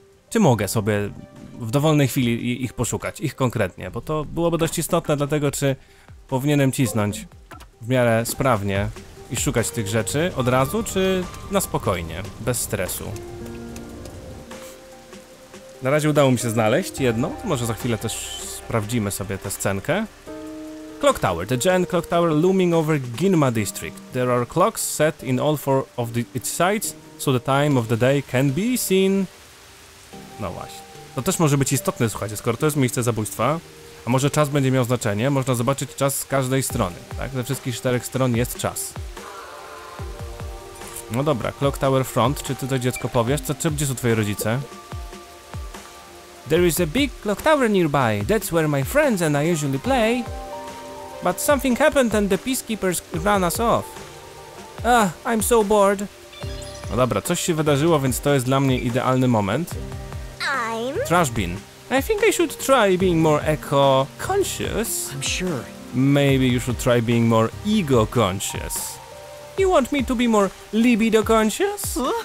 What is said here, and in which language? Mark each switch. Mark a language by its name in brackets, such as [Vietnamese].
[Polish] Czy mogę sobie w dowolnej chwili ich poszukać, ich konkretnie, bo to byłoby dość istotne, dlatego czy powinienem cisnąć w miarę sprawnie i szukać tych rzeczy od razu, czy na spokojnie, bez stresu. Na razie udało mi się znaleźć jedną, to może za chwilę też sprawdzimy sobie tę scenkę. [English] Clock Tower, the giant clock tower looming over Ginma District. There are clocks set in all four of its sides, so the time of the day can be seen. [Polish] No właśnie. To też może być istotne, słuchajcie, skoro to jest miejsce zabójstwa, a może czas będzie miał znaczenie, można zobaczyć czas z każdej strony, tak? Ze wszystkich czterech stron jest czas. No dobra, Clock Tower Front, czy ty to dziecko powiesz? Co, gdzie są twoje rodzice? [English] There is a big clock tower nearby, that's where my friends and I usually play. But something happened and the peacekeepers ran us off. Ah, I'm so bored. [Polish] No dobra, coś się wydarzyło, więc to jest dla mnie idealny moment. [English] Trash bin. I think I should try being more eco-conscious. I'm sure. Maybe you should try being more ego-conscious. You want me to be more libido conscious?